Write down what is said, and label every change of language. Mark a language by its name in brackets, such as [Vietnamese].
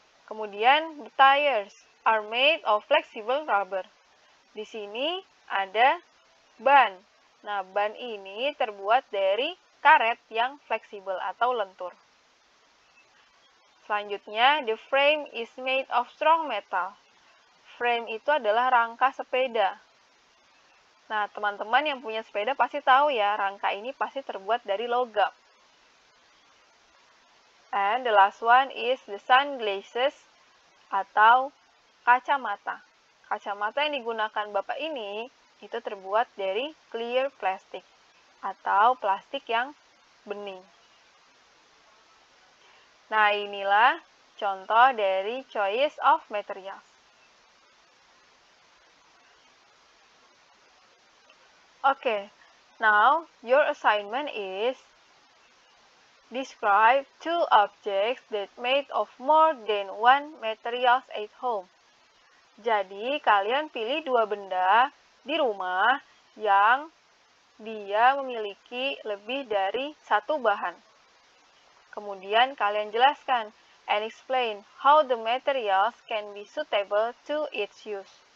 [Indonesian] Kemudian, [English] the tires are made of flexible rubber. [Indonesian] Di sini ada ban. Nah, ban ini terbuat dari karet yang fleksibel atau lentur. Selanjutnya, [English] the frame is made of strong metal. [Indonesian] Frame itu adalah rangka sepeda. Nah, teman-teman yang punya sepeda pasti tahu ya, rangka ini pasti terbuat dari logam. [English] And the last one is the sunglasses [Indonesian] atau kacamata. Kacamata yang digunakan bapak ini itu terbuat dari [English] clear plastic [Indonesian] atau plastik yang bening. Nah, inilah contoh dari [English] choice of materials. Oke, now your assignment is describe two objects that made of more than one materials at home. [Indonesian] Jadi, kalian pilih dua benda di rumah yang dia memiliki lebih dari satu bahan. Kemudian kalian jelaskan [English] and explain how the materials can be suitable to its use.